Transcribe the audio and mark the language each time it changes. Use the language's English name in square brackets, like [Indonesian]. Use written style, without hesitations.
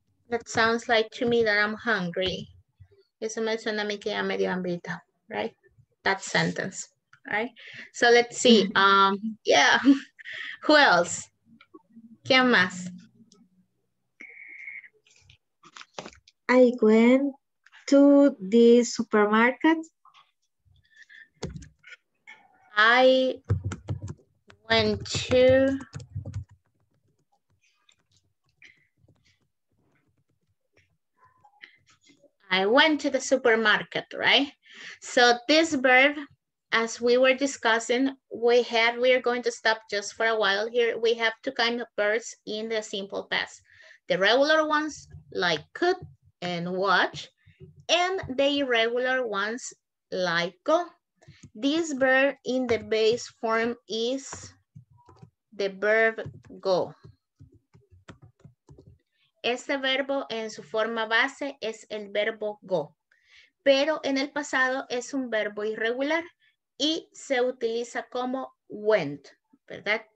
[English] That sounds like to me that I'm hungry. [Spanish] Eso me suena a mí que ya me dio hambrita, right? [English] That sentence, right? So let's see. Yeah. Who else? ¿Quién más? I went to the supermarket. I went to the supermarket, right? So this verb, as we were discussing, we are going to stop just for a while here. We have two kinds of verbs in the simple past. The regular ones like could and watch, and the irregular ones like go. This verb in the base form is the verb go. [Spanish] Este verbo en su forma base es el verbo go. Pero en el pasado es un verbo irregular y se utiliza como went, ¿verdad?